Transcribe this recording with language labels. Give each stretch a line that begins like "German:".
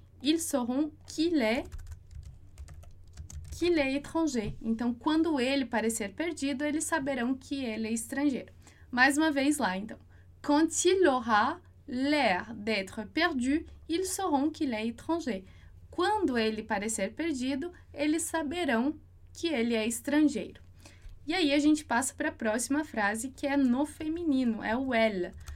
French: Ils sauront qu'il est étranger.
Portuguese: Então quando ele parecer perdido, eles saberão que ele é estrangeiro. Mais uma vez lá, então.
French: Quand il aura l'air d'être perdu, ils sauront qu'il est étranger.
Portuguese: Quando ele parecer perdido, eles saberão que ele é estrangeiro. E aí a gente passa para a próxima frase, que é no feminino, é o elle.